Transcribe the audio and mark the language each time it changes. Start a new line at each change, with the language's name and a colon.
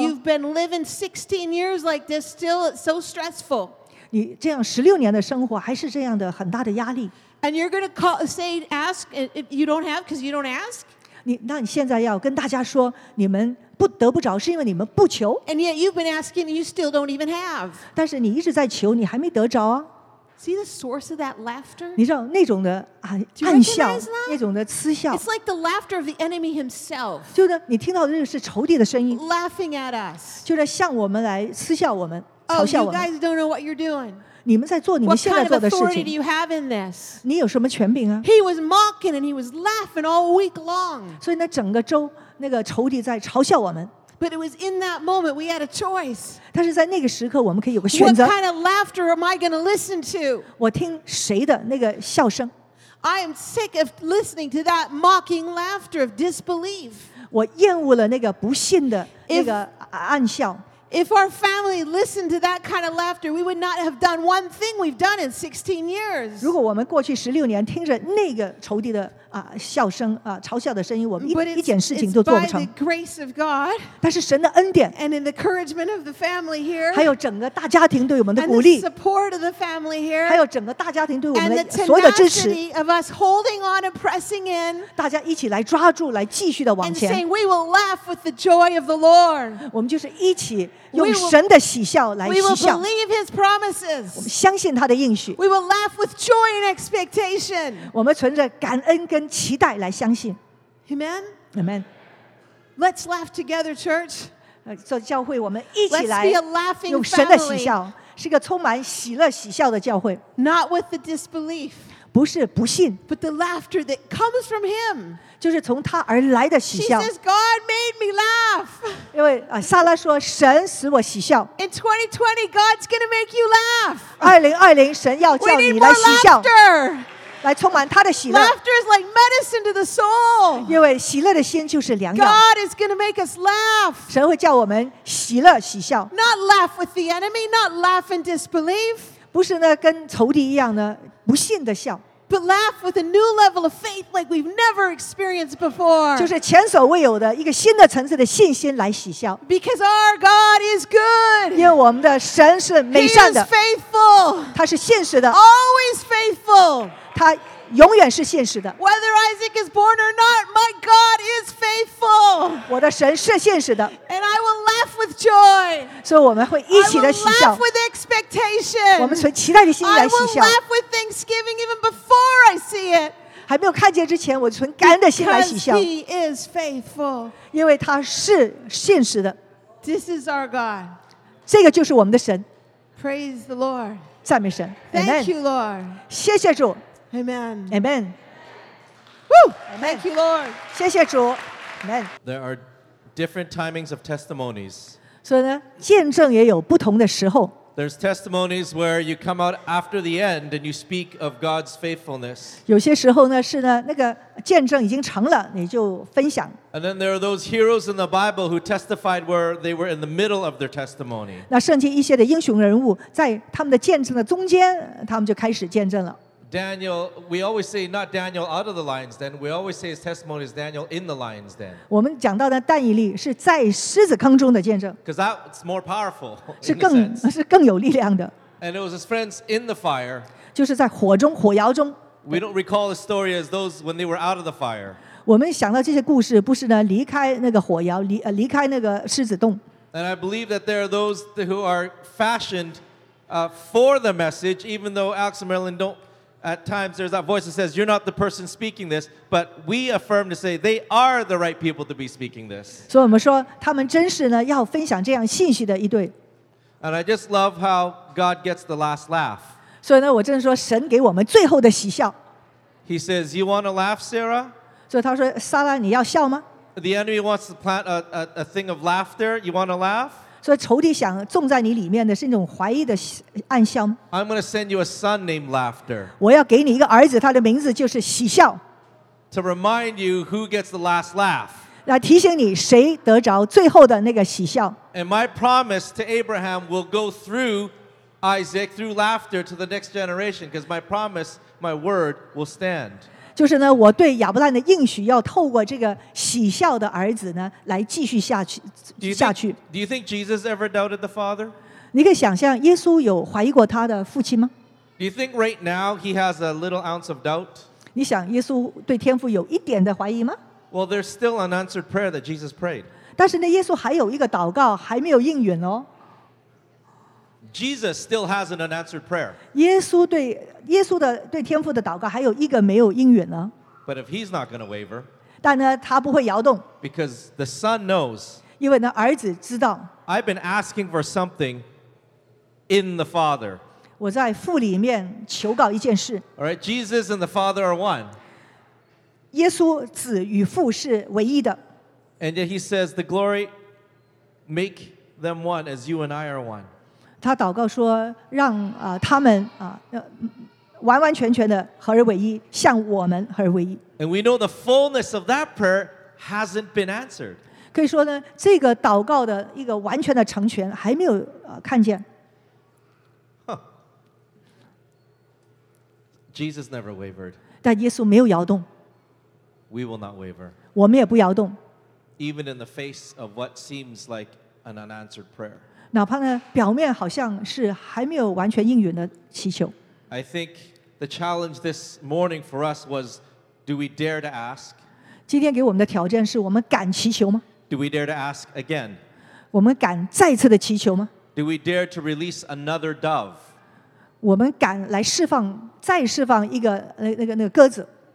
English: You've been living 16 years like this, still it's so stressful.
Chinese: 你这样16年的生活还是这样的很大的压力。
English: And you're going to call, say, ask, if you don't have because you don't ask?
Chinese: 那你现在要跟大家说, 你们不得不着, 是因为你们不求?
English: And yet you've been asking and you still don't even have.
Chinese: 但是你一直在求, 你还没得着啊。
English: See the source of that laughter?
Chinese: 你知道那种的, 啊,
English: Do you
Chinese: 暗笑,
English: recognize that?
Chinese: 那种的嗤笑。
English: It's like the laughter of the enemy himself.
Chinese: 就呢, 你听到的那个是仇敌的声音,
English: laughing at us.
Chinese: 就是向我们来嗤笑我们, oh, 嘲笑我们。
English: You guys don't know what you're doing.
Chinese: 你们在做你们现在做的事情。
English: What kind of authority do you have in this?
Chinese: 你有什么权柄啊?
English: He was mocking and he was laughing all week long.
Chinese: 所以那整个周, 那个仇敌在嘲笑我们。
English: But it was in that moment we had a choice.
Chinese: 但是在那个时刻我们可以有个选择。
English: What kind of laughter am I going to listen to?
Chinese: 我听谁的那个笑声?
English: I am sick of listening to that mocking laughter of disbelief.
Chinese: 我厌恶了那个不信的那个暗笑。
English: If our family listened to that kind of laughter, we would not have done one thing we've done in 16 years.
Chinese: 如果我们过去16年听着那个仇敌的, 啊, 笑声, 啊, 嘲笑的声音, 我们一,
English: but it's,
Chinese: 一件事情都做不成,
English: it's by the grace of God,
Chinese: 但是神的恩典,
English: and in the encouragement of the family here,
Chinese: 还有整个大家庭对我们的鼓励,
English: and the support of the family here,
Chinese: 还有整个大家庭对我们的所有的支持,
English: and the tenacity of us holding on and pressing in,
Chinese: 大家一起来抓住, 来继续地往前,
English: and saying we will laugh with the joy of the Lord.
Chinese: 我们就是一起 用神的喜笑来喜笑。
English: We will believe His promises.
Chinese: 我们相信他的应许。
English: We will laugh with joy and expectation.
Chinese: 我们存着感恩跟期待来相信。
English: Amen? Amen. Let's laugh together, church.
Chinese: 做教会，我们一起来用神的喜笑，是个充满喜乐喜笑的教会。
English: Not with the disbelief，
Chinese: 不是不信
English: ，but the laughter that comes from Him，
Chinese: 就是从他而来的喜笑。
English: She says God made me laugh，
Chinese: 因为啊，撒拉说神使我喜笑。
English: In 2020, God's going to make you laugh。
Chinese: 2020，神要叫你来喜笑。来充满他的喜乐。
English: Laughter is like medicine to the soul.
Chinese: 因为喜乐的心就是良药。
English: God is going to make us laugh.
Chinese: 神会叫我们喜乐喜笑。
English: Not laugh with the enemy, not laugh in disbelief.
Chinese: 不是呢，跟仇敌一样呢，不信的笑。
English: But laugh with a new level of faith like we've never experienced before.
Chinese: 就是前所未有的一个新的层次的信心来喜笑。
English: Because our God is good.
Chinese: 因为我们的神是美善的。
English: He is faithful.
Chinese: 他是信实的。
English: Always faithful.
Chinese: 他永远是信实的。
English: Whether Isaac is born or not, my God is faithful.
Chinese: 我的神是信实的。
English: And I will laugh with joy.
Chinese: 所以我们会一起的喜笑。
English: I will laugh with expectation.
Chinese: 我们存期待的心来喜笑。
English: I will laugh with thanksgiving even before I see it.
Chinese: 还没有看见之前，我存感恩的心来喜笑。
English: Because He is faithful.
Chinese: 因为他是信实的。
English: This is our God.
Chinese: 这个就是我们的神。
English: Praise the Lord.
Chinese: 赞美神。
English: Thank you, Lord.
Chinese: 谢谢主。
English: Amen. Amen. Woo! Amen. Thank you, Lord.
Chinese: 谢谢主。Amen.
English: There are different timings of testimonies.
Chinese: 所以呢，见证也有不同的时候。
English: There's testimonies where you come out after the end and you speak of God's faithfulness.
Chinese: 有些时候呢，是呢，那个见证已经成了，你就分享。
English: And then there are those heroes in the Bible who testified where they were in the middle of their testimony.
Chinese: 那圣经一些的英雄人物，在他们的见证的中间，他们就开始见证了。
English: Daniel, we always say not Daniel out of the lion's den. We always say his testimony is Daniel in the lion's den.
Chinese: 我们讲到的但以利是在狮子坑中的见证。
English: Because that's more powerful.
Chinese: 是更有力量的。
English: And it was his friends in the fire.
Chinese: 就是在火中火窑中。
English: We don't recall the story as those when they were out of the fire.
Chinese: 我们想到这些故事不是呢离开那个火窑离开那个狮子洞。
English: And I believe that there are those who are fashioned for the message, even though Alex and Marilyn don't. At times, there's that voice that says, "You're not the person speaking this," but we affirm to say they are the right people to be speaking this. So we say, "They are the right people to be speaking this." And I just love how God gets the last laugh. So I really say, "God gives us the last laugh." He says, "You want to laugh, Sarah?" So he says, "Sarah, you want to laugh?" The enemy wants to plant a thing of laughter. You want to laugh?
Chinese: 所以仇敌想种在你里面的是那种怀疑的暗香。
English: I'm going to send you a son named Laughter.
Chinese: 我要给你一个儿子，他的名字就是喜笑。
English: To remind you who gets the last laugh.
Chinese: 来提醒你谁得着最后的那个喜笑。
English: And my promise to Abraham will go through Isaac through Laughter to the next generation, because my promise, my word will stand.
Chinese: 就是呢，我对亚伯兰的应许要透过这个喜笑的儿子呢，来继续下去。
English: Do you think Jesus ever doubted the Father?
Chinese: 你可以想象耶稣有怀疑过他的父亲吗？
English: Do you think right now he has a little ounce of doubt?
Chinese: 你想耶稣对天父有一点的怀疑吗？
English: Well, there's still an unanswered prayer that Jesus prayed.
Chinese: 但是呢，耶稣还有一个祷告还没有应允哦。
English: Jesus still has an unanswered prayer.
Chinese: 耶稣对天父的祷告还有一个没有应允呢。
English: But if he's not going to waver,
Chinese: 但呢，他不会摇动。
English: Because the Son knows.
Chinese: 因为呢，儿子知道。
English: I've been asking for something in the Father.
Chinese: 我在父里面求告一件事。
English: All right, Jesus and the Father are one.
Chinese: 耶稣子与父是唯一的。
English: And yet he says, "The glory make them one as you and I are one."
Chinese: 他祷告说，让他们完完全全的合而为一，像我们合而为一。
English: And we know the fullness of that prayer hasn't been answered.
Chinese: 可以说呢，这个祷告的一个完全的成全还没有看见。
English: Jesus never wavered.
Chinese: 但耶稣没有摇动。
English: We will not waver.
Chinese: 我们也不摇动。
English: Even in the face of what seems like an unanswered prayer.
Chinese: 哪怕呢，表面好像是还没有完全应允的祈求。
English: I think the challenge this morning for us was, do we dare to ask?
Chinese: 今天给我们的挑战是我们敢祈求吗？
English: Do we dare to ask again?
Chinese: 我们敢再次的祈求吗？
English: Do we dare to release another dove?
Chinese: 我们敢来释放，再释放一个那个鸽子。